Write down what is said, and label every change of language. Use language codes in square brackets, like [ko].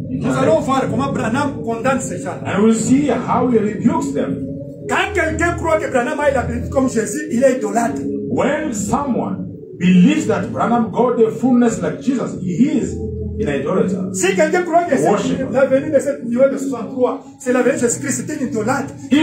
[fr] Nous allons voir comment Branham condamne ces gens. [en] And we see how he rebukes them. [fr] Quand quelqu'un croit que Branham a la prédit comme Jésus, il est idolâtre. [en] When someone believes that Branham got the fullness like Jesus, he is an idolater. [fr] Si quelqu'un croit que la venue de cette nuée de 63, c'est la venue de Jésus-Christ, c'est un idolâtre.